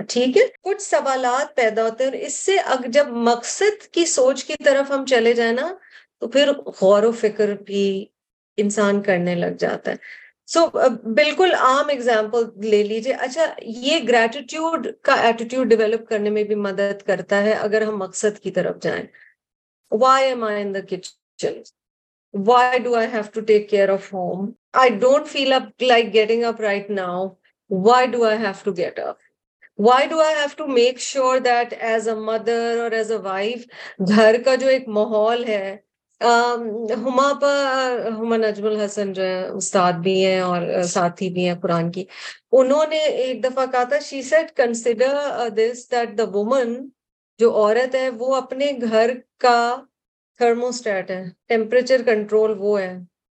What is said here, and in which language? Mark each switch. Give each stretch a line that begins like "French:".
Hindi: ठीक है, कुछ सवालात पैदा होते हैं इससे. अब जब मकसद की सोच की तरफ हम चले जाए ना तो फिर गौर व फिक्र भी इंसान करने लग जाता है. सो बिल्कुल आम एग्जांपल ले लीजिए. अच्छा, ये ग्रेटिट्यूड का एटीट्यूड डेवलप करने में भी मदद करता है अगर हम मकसद की तरफ जाएं.
English: Why am I in the kitchen? Why do I have to take care of home? I don't feel up like getting up right now. Why do I have to get up? Why do I have to make sure that as a mother or as a wife,
Hindi: घर का जो एक माहौल है, हुमा पर हुमा नजमुल हसन जो है उस्ताद भी हैं और साथी भी हैं कुरान की, उन्होंने एक दफा कहा था,
English: she said consider this that the woman,
Hindi: जो औरत है वो अपने घर का थर्मोस्टेट है, टेम्परेचर कंट्रोल वो है.